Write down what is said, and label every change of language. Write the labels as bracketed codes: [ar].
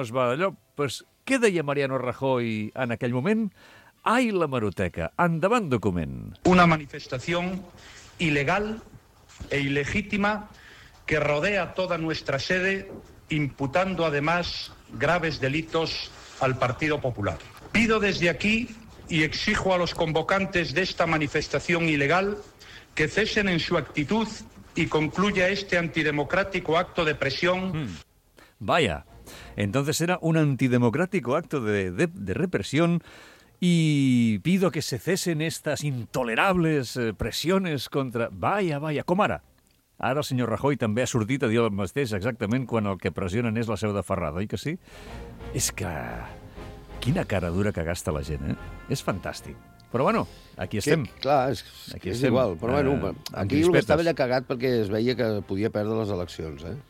[ca] es va d'allò. Pues, què deia Mariano Rajoy en aquell moment? Ai, la Maroteca, endavant document. Una manifestació il·legal [es] e il·legítima que rodea toda nuestra sede, imputando además graves delitos al Partido Popular. Pido desde aquí y exijo a los convocantes de esta manifestación ilegal que cesen en su actitud y concluya este antidemocrático acto de presión. Vaya, entonces era un antidemocrático acto de represión y pido que se cesen estas intolerables presiones contra... Vaya, vaya, ¿cómo era? [ca] Ara el senyor Rajoy també ha sortit a dir el mateix exactament quan el que pressionen és la seu de Ferrada, oi que sí? És que... Quina cara dura que gasta la gent, És fantàstic. Però bueno, aquí estem. Aquí estem. Igual, però bueno, aquí el que estava ja cagat perquè es veia que podia perdre les eleccions,